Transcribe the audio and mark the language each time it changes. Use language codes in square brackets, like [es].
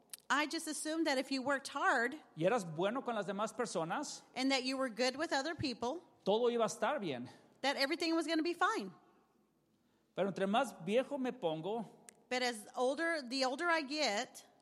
[en] I just assumed that if you worked hard, [es] y eras bueno con las demás personas, [en] and that you were good with other people, [es] todo iba a estar bien. [en] That everything was going to be fine. [es] Pero entre más viejo me pongo, [en] but as older, the older I get,